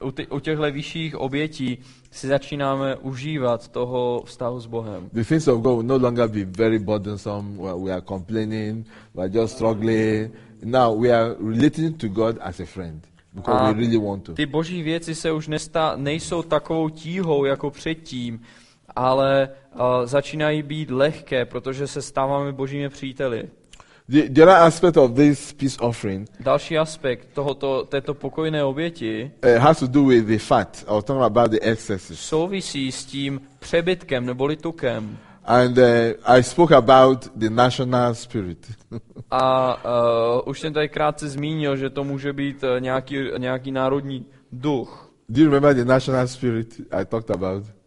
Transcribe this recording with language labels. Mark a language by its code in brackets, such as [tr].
[cs] U těchhle vyšších obětí si začínáme užívat toho vztahu s Bohem. [en] The things of God will no longer be very burdensome. We are complaining, we are just struggling. Now we are relating to God as a friend because we really want to. [cs] Ty boží věci se už nejsou takovou tíhou jako předtím, ale začínají být lehké, protože se stáváme božími příteli. [en] The other aspect of this peace offering. [cs] Další aspekt této pokojné oběti. [en] Has to do with the fat. I was talking about the excesses. [cs] Souvisí s tím přebytkem neboli tukem. [en] And I spoke about the national spirit. [cs] A už jsem tady krátce zmínil, že to může být nějaký národní duch. [en] Do you remember the national spirit I talked about?